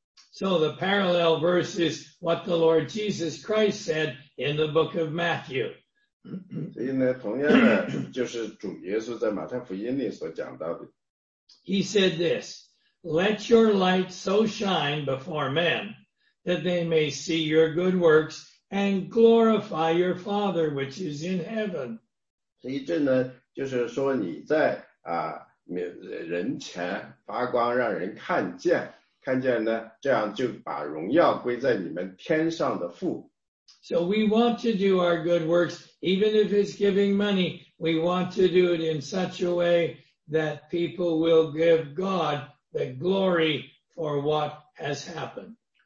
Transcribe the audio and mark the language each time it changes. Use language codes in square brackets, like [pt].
[en] So the parallel verse is what the Lord Jesus Christ said in the book of Matthew. [zh] 所以呢，同样的就是主耶稣在马太福音里所讲到的。 [en] He said this, "Let your light so shine before men that they may see your good works and glorify your Father which is in heaven." [zh] 所以这呢，就是说你在人前发光，让人看见。看见呢，这样就把荣耀归在你们天上的父。 [en] So we want to do our good works, even if it's giving money, we want to do it in such a way that people will give God the glory for what has happened.